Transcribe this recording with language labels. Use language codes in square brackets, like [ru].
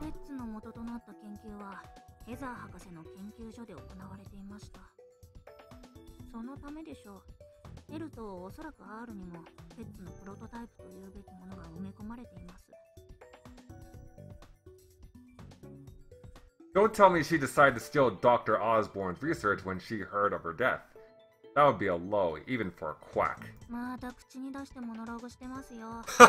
[ja] ペッツの元となった研究はヘザー博士の研究所で行われていました。そのためでしょう。エルとおそらくアールにもペッツのプロトタイプというべきものが埋め込まれています。 [en] Don't tell me she decided to steal Dr. Osborne's research when she heard of her death. That would be a low, even for a quack. [ja] また口に出してモノローグしてますよ。